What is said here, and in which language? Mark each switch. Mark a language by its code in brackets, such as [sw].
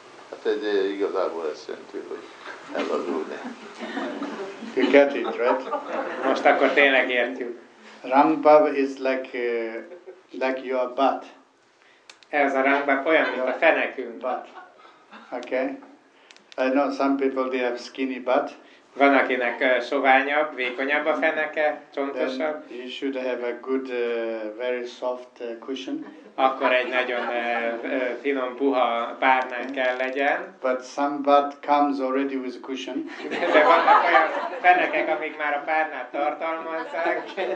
[hu] Hát egy igazából ezt jelenti, hogy elazulni. [en] You get it, right? [hu] Most akkor tényleg értjük. [en] Rangba is like your butt. [hu] Ez a rangba olyan, mint a fenekünk. [en] Butt. Okay. I know some people, they have skinny butt. [hu] Van, akinek soványabb, vékonyabb a feneke, csontosabb. [en] Then you should have a good, very soft cushion. [hu] Akkor egy nagyon finom, puha párnán kell legyen. [en] But some butt comes already with a cushion. [hu] De vannak olyan fenekek, amik már a párnát tartalmazzák.